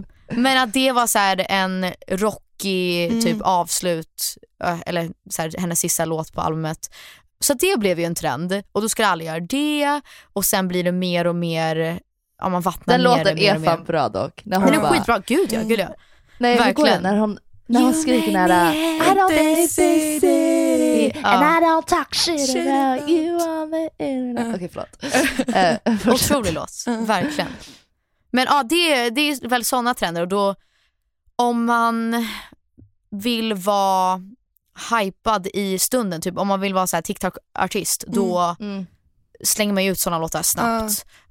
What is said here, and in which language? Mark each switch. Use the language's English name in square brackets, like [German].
[Swedish] Men att det var så här en rockig typ avslut, eller så här, hennes sista låt på albumet. Så det blev ju en trend, och då skulle alla göra det, och sen blir det mer och mer, om man vattnar ner det. Den låten är fan bra dock. När hon är skitbra, gud ja, gud ja. Nej, verkligen. När hon skriker den här, [English] I don't think it's easy, and I don't talk shit about you on the internet. [Swedish] Okej, förlåt. Otrolig låt, verkligen. Men ja, det är väl såna trender, och då, om man vill vara hypad i stunden, typ om man vill vara så här TikTok-artist, då slänger man ut såna låtar snabbt.